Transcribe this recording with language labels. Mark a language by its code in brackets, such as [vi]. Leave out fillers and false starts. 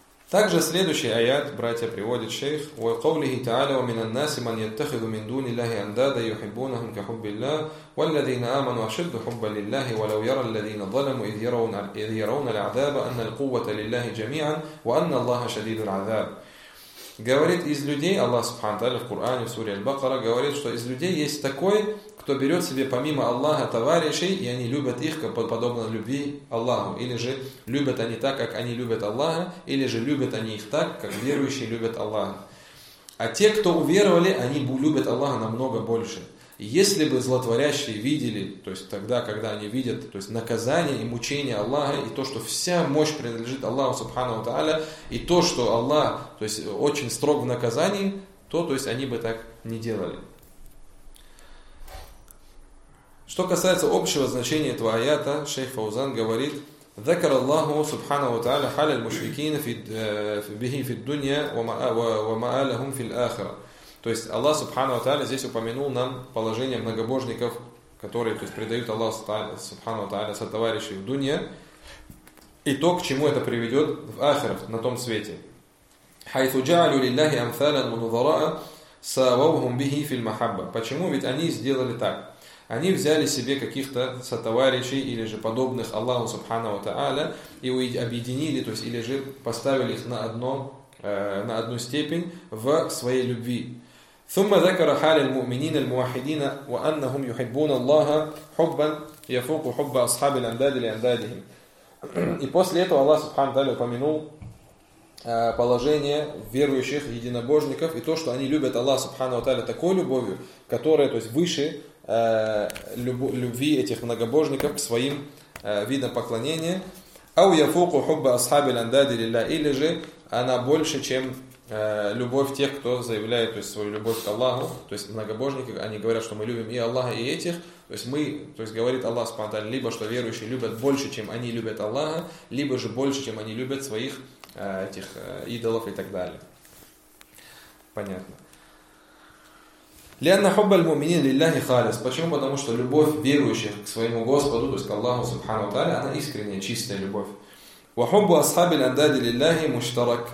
[ru] Также следующий аят братья приводят шейх у [ar] قوله تعالى ومن الناس من يتخذ من دون الله أندادا يحبونهم كحب الله والذين آمنوا أشد حبا لله ولو يرى الذين ظلموا إذ يرون العذاب أن القوة لله جميعا وأن الله شديد العذاب. [ru] Говорит, из людей, Аллах Субхану Тааля в Коране, в суре Аль-Бакара, говорит, что из людей есть такой, кто берет себе помимо Аллаха товарищей, и они любят их подобно любви Аллаху. Или же любят они так, как они любят Аллаха, или же любят они их так, как верующие любят Аллаха. А те, кто уверовали, они любят Аллаха намного больше. Если бы злотворящие видели, то есть тогда, когда они видят, то есть наказание и мучение Аллаха, и то, что вся мощь принадлежит Аллаху Субхану Тааля, и то, что Аллах, то есть очень строг в наказании, то есть они бы так не делали. Что касается общего значения этого аята, шейх Фаузан говорит: [ar] ذكر الله سبحانه وتعالى حال المشركين في به في الدنيا وما لهم في الآخرة. [ru] То есть Аллах Субхану ва Тааля здесь упомянул нам положение многобожников, которые то есть, предают Аллаху Субхану ва Тааля сотоварищей в дунья, и то, к чему это приведет в ахир, на том свете. [ar] حَيْثُ جَعَلُوا لِلَّهِ أَمْثَالًا وَنُظَرَاءً سَوَوْهُمْ بِهِ فِي الْمَحَبَّةِ. [ru] Почему? Ведь они сделали так. Они взяли себе каких-то сотоварищей или же подобных Аллаху Субхану ва Тааля и объединили, то есть или же поставили их на одну степень в своей любви. [ar] ثم ذكر حال المؤمنين الموحدين وأنهم يحبون الله حبا يفوق حب أصحاب الأنداد لأندادهم. [ru] И после этого Аллах Субхану Тааля упомянул положение верующих единобожников и то, что они любят Аллаха Субхану Тааля такой любовью, которая, то есть, выше любви этих многобожников к своим видам поклонения. [ar] أو يفوق حب أصحاب الأنداد لله. [ru] Или же она больше, чем любовь тех, кто заявляет то есть, свою любовь к Аллаху. То есть многобожники, они говорят, что мы любим и Аллаха, и этих. То есть, говорит Аллах Субхану Тааля, либо что верующие любят больше, чем они любят Аллаха, либо же больше, чем они любят своих этих идолов и так далее. Понятно. [ar] لأن حب المؤمنين لله خالص. [ru] Почему? Потому что любовь верующих к своему Господу, то есть к Аллаху Субхану Тааля, она искренняя, чистая любовь. [ar] وحب أصحاب الأنداد لله مشترك.